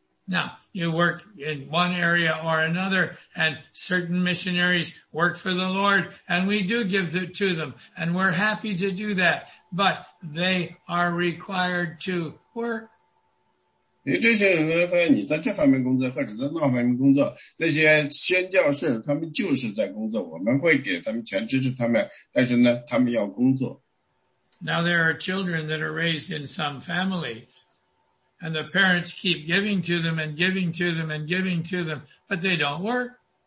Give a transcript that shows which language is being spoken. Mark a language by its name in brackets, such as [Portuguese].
[English] Now, you work in one area or another, and certain missionaries work for the Lord, and we do give it to them, and we're happy to do that, but they are required to work. [Chinese] 这些人呢，你在这方面工作，或者在那方面工作，那些宣教士，他们就是在工作，我们会给他们钱，支持他们，但是呢，他们要工作。 [English] Now, there are children that are raised in some families. And the parents keep giving to them and giving to them and giving to them, but they don't work.